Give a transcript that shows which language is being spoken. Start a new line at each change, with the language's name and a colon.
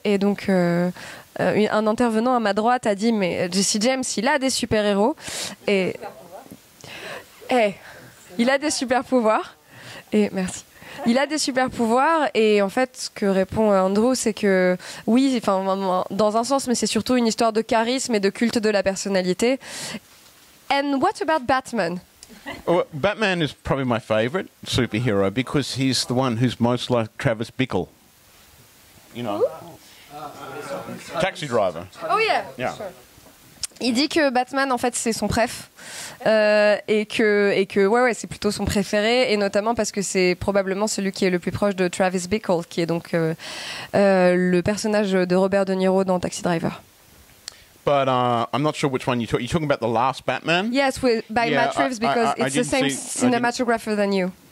French: Et donc, un intervenant à ma droite a dit, mais Jesse James, il a des super-héros. Et... Hey, il a des super-pouvoirs. Et merci. Il a des super pouvoirs et en fait ce que répond Andrew c'est que oui, enfin, dans un sens, mais c'est surtout une histoire de charisme et de culte de la personnalité.
English: And what about Batman? Well, Batman is probably my favorite superhero because he's the one who's most like Travis Bickle. You know, Taxi Driver. Oh yeah, yeah. Sure.
French: Il dit que Batman, en fait, c'est son préf, et que ouais, ouais, c'est plutôt son préféré, et notamment parce que c'est probablement celui qui est le plus proche de Travis Bickle, qui est donc le personnage de Robert De Niro dans Taxi Driver.
English: But I'm not sure which one you're talking about, the last Batman? Yes, by Matt Reeves, because it's the same cinematographer than you.